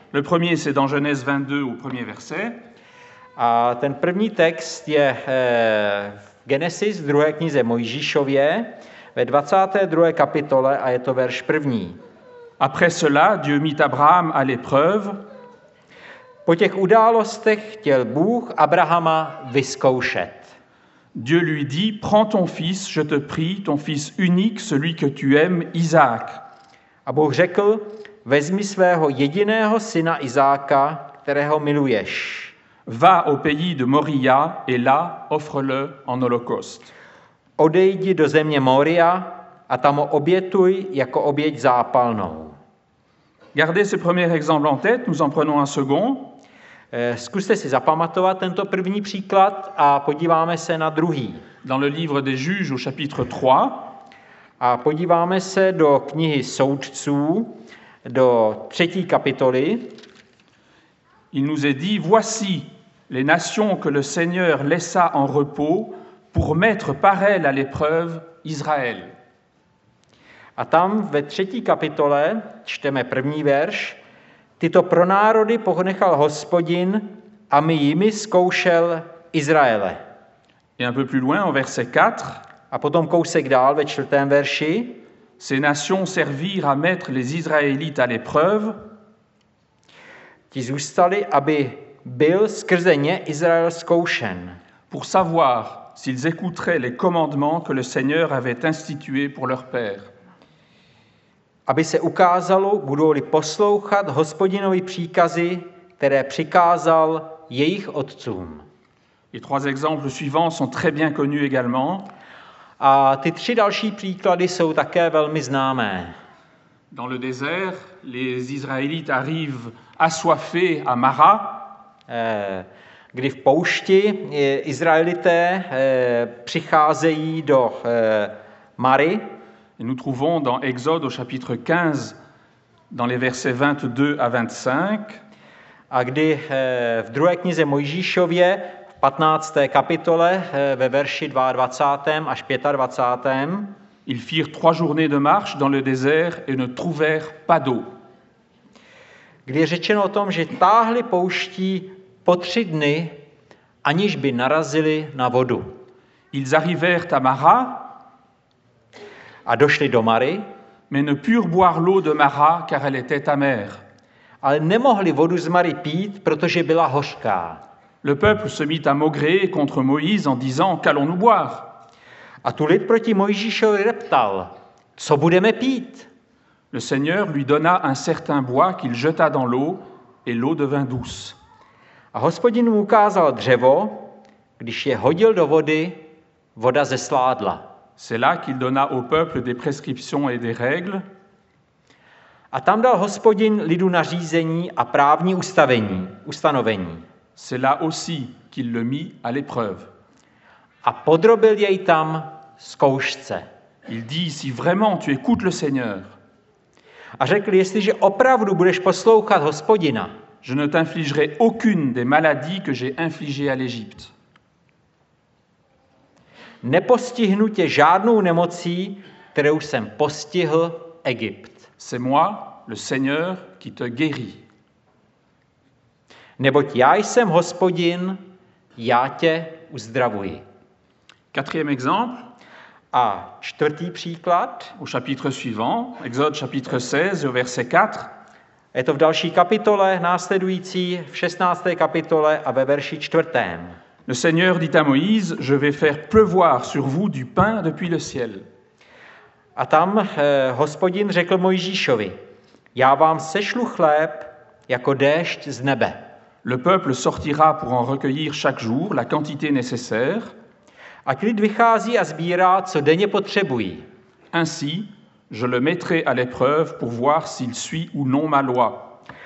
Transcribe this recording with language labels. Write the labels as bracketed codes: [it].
[fr] Le premier, c'est dans Genèse 22, au premier verset. [cs] A ten první text je Genesis, v druhé knize Mojžíšově, ve 22. kapitole a je to verš první. [fr] Après cela, Dieu mit Abraham à l'épreuve. [cs] Po těch událostech chtěl Bůh Abrahama vyzkoušet. [fr] Dieu lui dit, prends ton fils, je te prie, ton fils unique, celui que tu aimes, Isaac. [cs] A Bůh řekl, vezmi svého jediného syna Izáka, kterého miluješ. [fr] Va au pays de Moria et là, offre-le en holocauste. [cs] Odejdi do země Moria a tam ho obětuj jako oběť zápalnou. [fr] Gardez ce premier exemple en tête, nous en prenons un second. [cs] Zkuste si zapamatovat tento první příklad a podíváme se na druhý. [fr] Dans le livre des juges au chapitre 3. [cs] A podíváme se do knihy soudců, do 3. kapitoly. [fr] Il nous est dit, voici les nations que le Seigneur laissa en repos pour mettre par elles à l'épreuve Israël. [cs] A tam ve 3. kapitole čteme první verš. Tyto pro národy ponechal Hospodin a my jimi zkoušel Izraele. [fr] Et un peu plus loin, en verset 4. [cs] A potom kousek dál ve 4. verši. [fr] Ces nations servirent à mettre les Israélites à l'épreuve. [cs] Ti zůstali, aby byl skrze ně Izrael zkoušen. [fr] Pour savoir s'ils écouteraient les commandements que le Seigneur avait institués pour leur père. [cs] Aby se ukázalo, budou-li poslouchat Hospodinovy příkazy, které přikázal jejich otcům. [fr] Les trois exemples suivants sont très bien connus également. [cs] A ty tři další příklady jsou také velmi známé. [fr] Dans le désert, les Israélites arrivent assoiffés à Mara. [cs] Kdy v poušti Izraelité přicházejí do Mary. [fr] Et nous trouvons dans Exode au chapitre 15 dans les versets 22 à 25. [cs] A kdy v druhé knize Mojžíšově v 15. kapitole ve verši 22. až 25. [fr] Ils firent trois journées de marche dans le désert et ne trouvèrent pas d'eau. [cs] Kdy je řečeno o tom, že táhli pouští po 3 dny, aniž by narazili na vodu. [fr] Ils arrivèrent à Mara. [cs] A došli do Mary, [fr] mais ne purent boire l'eau de Mara car elle était amère. [cs] Ale nemohli vodu z Mary pít, protože byla hořká. [fr] Le peuple se mit à maugréer contre Moïse en disant qu'allons-nous boire? [cs] A tout lid proti Mojžíšovi reptal, co budeme pít? [fr] Le Seigneur lui donna un certain bois qu'il jeta dans l'eau et l'eau devint douce. [cs] A Hospodin mu ukázal dřevo, když je hodil do vody, voda zesládla. [fr] C'est là qu'il donna au peuple des prescriptions et des règles. [cs] A tam dal Hospodin lidu nařízení a právní ustanovení. [fr] C'est là aussi qu'il le mit à l'épreuve. [cs] A podrobil jej tam zkoušce. [fr] Il dit, si vraiment tu écoutes le Seigneur. [cs] A řekl, jestliže opravdu budeš poslouchat Hospodina, [fr] je ne t'infligerai aucune des maladies que j'ai infligées à l'Égypte. [cs] Nepostihnu tě žádnou nemocí, kterou jsem postihl Egypt. [fr] C'est moi, le Seigneur, qui te guérit. [cs] Neboť já jsem Hospodin, já tě uzdravuji. [fr] Quatrième exemple. [cs] A čtvrtý příklad. [fr] Au chapitre suivant, Exode chapitre 16, au verset 4. [cs] Je to v další kapitole, následující, v 16. kapitole a ve verši 4. [fr] Le Seigneur dit à Moïse, je vais faire pleuvoir sur vous du pain depuis le ciel. [cs] A tam Hospodin řekl Mojžíšovi, já vám sešlu chléb jako déšť z nebe. [fr] Le peuple sortira pour en recueillir chaque jour la quantité nécessaire. [cs] A lid vychází a sbírá, co denně potřebují. [fr] Ainsi, je le mettrai à l'épreuve pour voir s'il suit ou non ma loi.